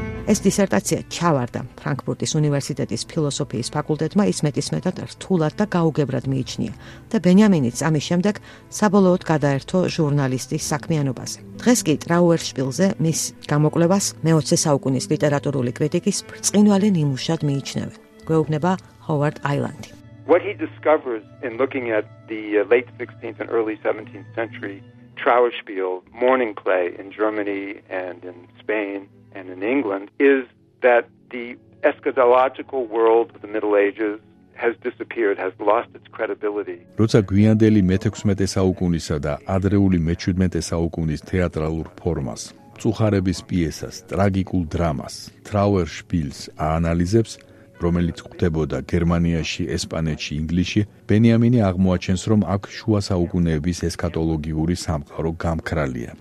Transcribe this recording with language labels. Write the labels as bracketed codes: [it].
[ka] ეს დისერტაცია ჩავარდა ფრანკფურტის უნივერსიტეტის ფილოსოფიის ფაკულტეტმა, ის მეტისმეტად რთულად და გაუგებრად მიიჩნია და ბენიამინიც ამის შემდეგ საბოლოოდ გადაერთო ჟურნალისტის საქმიანობაზე. დღეს კი ტრაუერშვილზე მის გამოკვლევას მეოცე საუკუნის ლიტერატურული კრიტიკის ბრწყინვალე ნიმუშად მიიჩნევენ. გვეუბნება ჰოვარდ აილანდი. [en] What he discovers in looking at the late 16th and early 17th century Trauerspiel morning play in Germany and in Spain and in England is that the eschatological world of the Middle Ages has disappeared, has lost its credibility. [ka] როცა გვიანდელი მე-16 საუკუნისა და ადრეული მე-17 საუკუნის თეატრალურ ფორმას, წუხარების პიესას, ტრაგიკულ დრამას, Trauerspiels აანალიზებს, რომელიც ხდებოდა გერმანიაში, ესპანეთში, ინგლისში, ბენიამინი აღმოაჩენს, რომ აქ შუა საუკუნეების ესქატოლოგიური სამყარო გამქრალია.